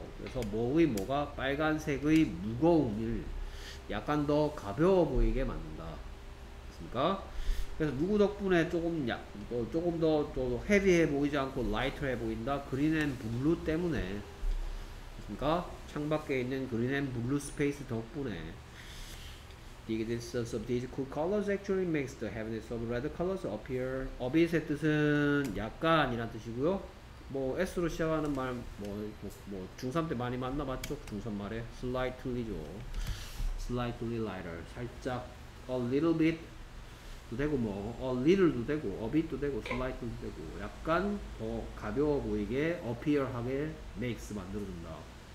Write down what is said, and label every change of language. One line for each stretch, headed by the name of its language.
Korean: 그래서 뭐의 뭐가 빨간색의 무거움을 약간 더 가벼워 보이게 만든다. 됐습니까? 그래서 누구 덕분에 조금 더 헤비해 보이지 않고 라이터해 보인다. 그린 앤 블루 때문에. 그러니까 창밖에 있는 그린 앤 블루 스페이스 덕분에.
English: The existence of these cool colors actually makes the heaviness of red colors appear.
Korean: A bit의 뜻은 약간이란 뜻이고요. 뭐 S로 시작하는 말 뭐 중3 때 많이 만나봤죠. 중3 말에 slightly죠.
English: Slightly lighter.
Korean: 살짝
English: a little bit
Korean: 도 되고 뭐 a little도 되고 a bit도 되고 slightly도 되고 약간 더 가벼워 보이게 appear하게 makes 만들어준다.